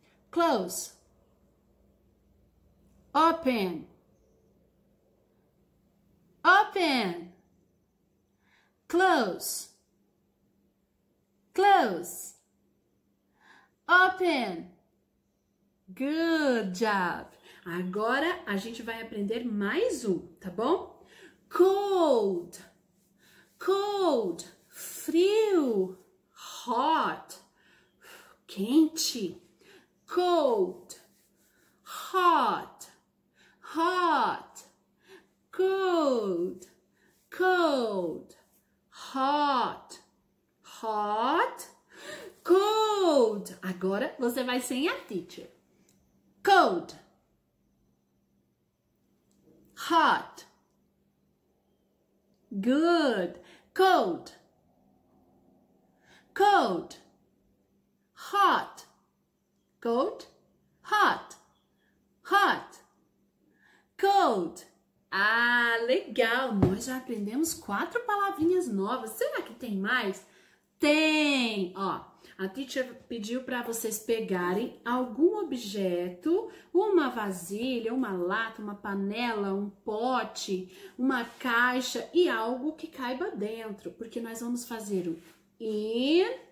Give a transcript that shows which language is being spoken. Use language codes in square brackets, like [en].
[en] Close, open, open, close, close, open. Good job. [pt] Agora a gente vai aprender mais um, tá bom? [en] Cold, cold, frio. Hot, quente. Cold, hot, hot, cold, cold, hot, hot, cold. [pt] Agora você vai sem a teacher. [en] Cold, hot, good, cold. Cold, hot, cold, hot, hot, cold. [pt] Ah, legal! Nós já aprendemos quatro palavrinhas novas. Será que tem mais? Tem! Ó, a teacher pediu para vocês pegarem algum objeto, uma vasilha, uma lata, uma panela, um pote, uma caixa e algo que caiba dentro, porque nós vamos fazer o in.